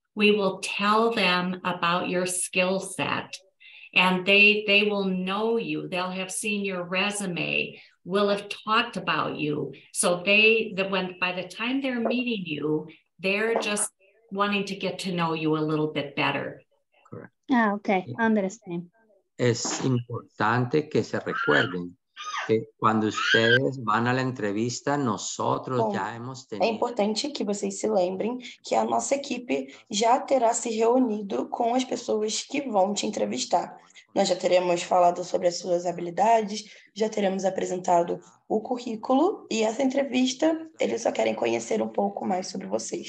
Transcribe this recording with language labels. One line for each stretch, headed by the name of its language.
English: We will tell them about your skill set, and they will know you. They'll have seen your resume. We'll have talked about you. So by the time they're meeting you, they're just wanting to get to know you a little bit better. Correct. Ah, okay, understand.
Spanish: Es importante que se recuerden que cuando ustedes van a la entrevista, nosotros ya hemos tenido.
Portuguese: É importante que vocês se lembrem que a nossa equipe já terá se reunido com as pessoas que vão te entrevistar. Nós já teremos falado sobre as suas habilidades, já teremos apresentado o currículo e essa entrevista, eles só querem conhecer um pouco mais sobre vocês.